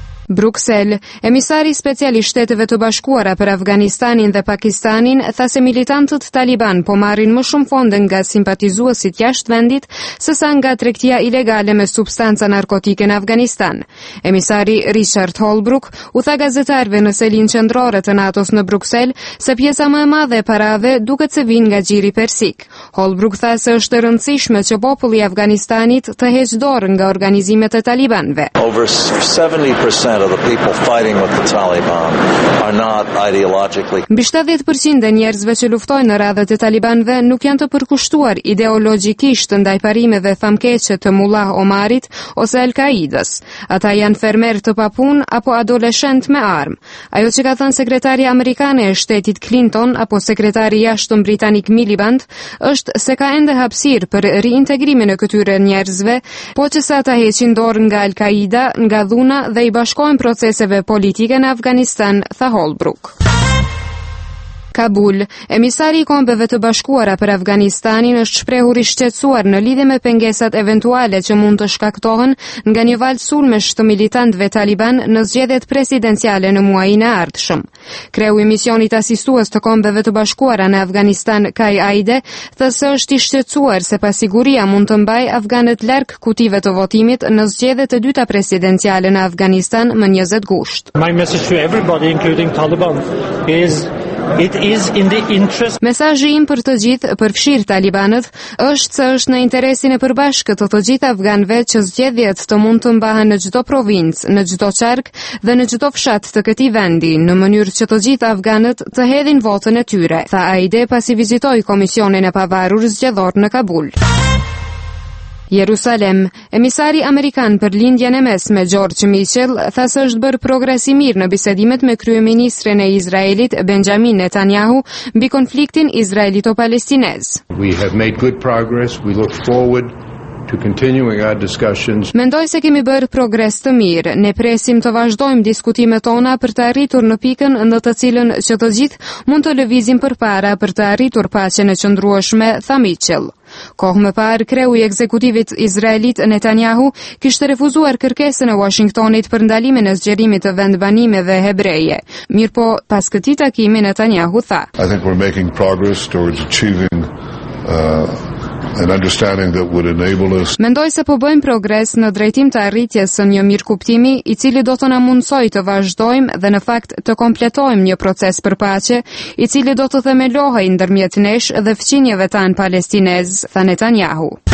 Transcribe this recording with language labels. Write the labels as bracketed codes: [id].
[sq] Bruxelles, emisari special i Shteteve të Bashkuara për Afganistanin dhe Pakistanin, tha se militantët taliban po marrin më shumë fonde nga simpatizuesit jashtë vendit, sesa nga tregtia ilegale me substanca narkotike në Afganistan. Emisari Richard Holbrook u tha gazetarve në selin qendrore të NATO-s në Bruxelles se pjesa më e madhe e parave duket se vijnë nga xhiri persik. Holbrook tha se është e rëndësishme që populli i Afganistanit të heqë dorë nga organizimet e talibanëve. [en] Of the people fighting with the Taliban are not ideologically. [sq] Mbi 70% e njerëzve që luftojnë në radhët e talibanëve nuk janë të përkushtuar ideologjikisht ndaj parimeve famkeqe të Mullah Omarit ose Al-Qaidës. Ata janë fermer të papun apo adoleshent me armë. Ajo që ka thënë sekretari amerikane e shtetit Clinton apo sekretari jashtëm britanik Miliband është se ka ende hapësirë për riintegrimin e këtyre njerëzve, po që sa ata heqin dorë nga Al-Qaida, nga dhuna dhe i bashkojnë proceseve politike në Afganistan, tha Holbrook. Kabul, emisari i Kombeve të Bashkuara për Afganistanin është shprehur i shqetësuar në lidhje me pengesat eventuale që mund të shkaktohen nga një val sulmesh të militantëve taliban në zgjedhjet presidenciale në muajin e ardhshëm. Kreu i misionit asistues të Kombeve të Bashkuara në Afganistan, Kai Aide, thë se është i shqetësuar se pasiguria mund të mbaj afganët larg kutive të votimit në zgjedhjet e dyta presidenciale në Afganistan më 20 gusht. [en] My message to everybody including Taliban is it is in the interest. [sq] Mesazhi im për të gjithë, përfshir talibanët, është se është në interesin e përbashkët të gjithë afganëve që zgjedhjet të mund të mbahen në çdo provincë, në çdo qark dhe në çdo fshat të këtij vendi, në mënyrë që të gjithë afganët të hedhin votën e tyre, tha Aide pasi vizitoi Komisionin e Pavarur Zgjedhor në Kabul. Jerusalem. Emisari Amerikan për lindjen e mesme, George Mitchell, tha se është bërë progres i mirë në bisedimet me kryeministren e Izraelit, Benjamin Netanyahu, mbi konfliktin izraelito-palestinez. [en] We have made good progress, we look forward to continuing our discussions. [sq] Mendoj se kemi bërë progres të mirë. Ne presim të vazhdojmë diskutimet tona për të arritur në pikën në të cilën që të gjithë mund të lëvizim përpara për të arritur paqen e qëndrueshme, tha Mitchell. Kohë më parë, kreu i ekzekutivit izraelit Netanyahu kishte refuzuar kërkesën e Washingtonit për ndalimin e zgjerimit të vendbanimeve hebreje. Mirpo, pas këtij takimi Netanyahu tha: [en] I think we're making progress towards achieving an understanding that would enable us. [sq] Mendoj se po bëjmë progres në drejtim të arritjes së një mirëkuptimi i cili do të na mundsojë të vazhdojmë dhe në fakt të kompletojmë një proces për paqe i cili do të themelohej ndërmjet nesh dhe fqinjeve tan palestinez, tha Netanyahu.